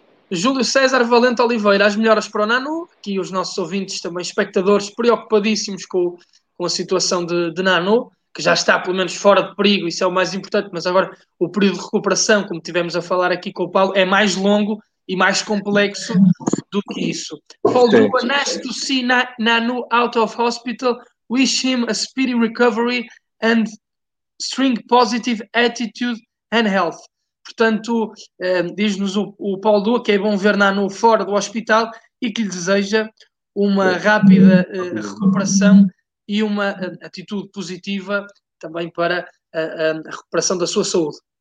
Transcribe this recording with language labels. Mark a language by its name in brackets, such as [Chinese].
[Portuguese] Júlio César Valente Oliveira, as melhoras para o Nanu, aqui os nossos ouvintes também, espectadores, preocupadíssimos com a situação de Nanu, que já está pelo menos fora de perigo, isso é o mais importante, mas agora o período de recuperação, como tivemos a falar aqui com o Paulo, é mais longo e mais complexo do que isso. [English] Paulo Duba, nice to see Nanu out of hospital, wish him a speedy recovery and strong positive attitude and health. [Portuguese] Portanto, diz-nos o Paulo Duba que é bom ver Nanu fora do hospital e que lhe deseja uma rápida recuperação e uma atitude positiva também para a recuperação da sua saúde.